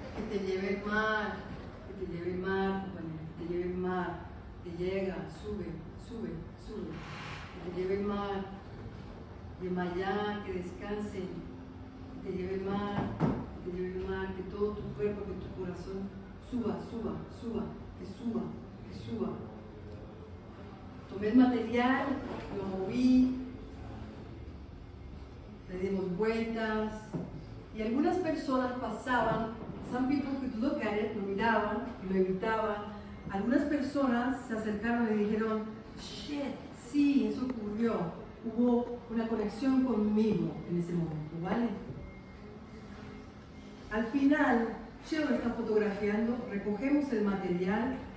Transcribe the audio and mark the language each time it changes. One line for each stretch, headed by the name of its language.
Spanish: Que te lleve el mar, que te lleve el mar, compañero, que te lleve el mar, que llega, sube, sube, sube, que te lleve el mar, de Mayá, que descanse, que te lleve el mar, que te lleve el mar, que todo tu cuerpo, que tu corazón suba, suba, suba, que suba, que suba. Tomé el material, lo moví, le dimos vueltas, y algunas personas pasaban.
English: Some people could look at it,
Spanish: lo miraban, lo evitaban. Algunas personas se acercaron y dijeron, shit, sí, eso ocurrió. Hubo una conexión conmigo en ese momento, ¿vale? Al final, Chelo está fotografiando, recogemos el material.